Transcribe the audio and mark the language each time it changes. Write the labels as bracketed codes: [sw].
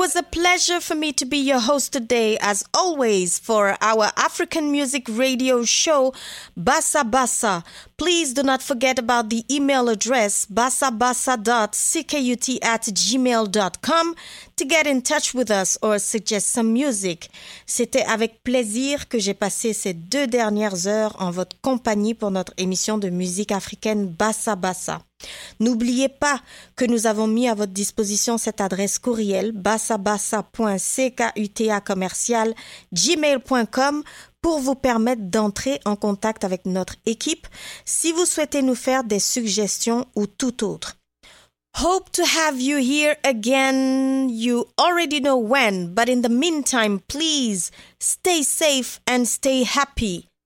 [en] pleasure for me to be your host today, as always, for our African music radio show, Bassa Bassa. Please do not forget about the email address, bassabassa.ckut@gmail.com, to get in touch with us or suggest some music. [fr] C'était avec plaisir que j'ai passé ces deux dernières heures en votre compagnie pour notre émission de musique africaine Bassa Bassa. N'oubliez pas que nous avons mis à votre disposition cette adresse courriel bassabassa.ckutacommercial@gmail.com pour vous permettre d'entrer en contact avec notre équipe si vous souhaitez nous faire des suggestions ou tout autre. [en] Hope to have you here again. You already know when, but in the meantime, please stay safe and stay happy.